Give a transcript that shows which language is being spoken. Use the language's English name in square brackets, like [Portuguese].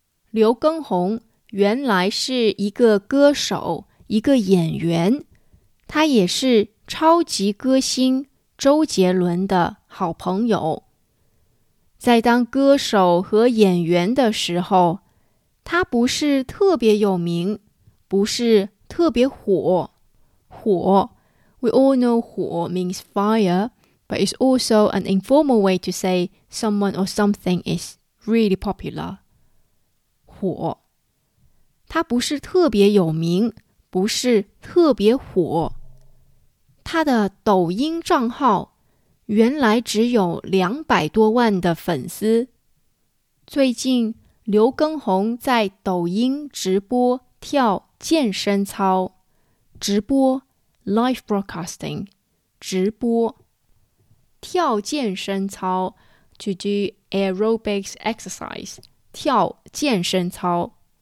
[Chinese] 刘畊宏原来是一个歌手，一个演员，他也是超级歌星周杰伦的好朋友。在当歌手和演员的时候，他不是特别有名，不是特别火。 [English] 火 ,we all know 火 means fire, but it's also an informal way to say someone or something is really popular. [Chinese] 火，他不是特别有名，不是特别火。他的抖音账号原来只有200多万的粉丝。最近刘畊宏在抖音直播跳健身操，直播 [English] live broadcasting， [Chinese] 直播跳健身操 [English] to do aerobics exercise， [Chinese] 跳健身操。